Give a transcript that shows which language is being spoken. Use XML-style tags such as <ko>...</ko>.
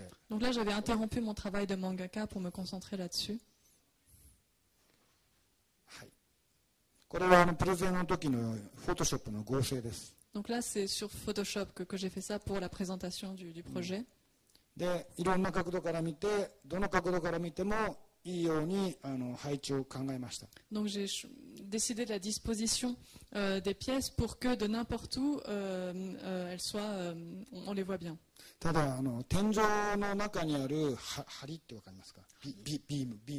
<fr>Donc là j'avais interrompu mon travail de mangaka pour me concentrer là-dessus.</fr> <ja>これはあのプレゼンの時のフォトショップの合成です。</ja> <fr>Donc là, c'est sur Photoshop que j'ai fait ça pour la présentation du projet.</fr> <ja>で、いろんな角度から見て、どの角度から見てもいいようにあの配置を考えました。</ja> <fr>Donc j'ai décidé de la disposition des pièces pour que de n'importe où elles soient, on les voit bien.</fr> <ja>ただあの天井の中にある梁ってわかりますか？ビーム。</ja>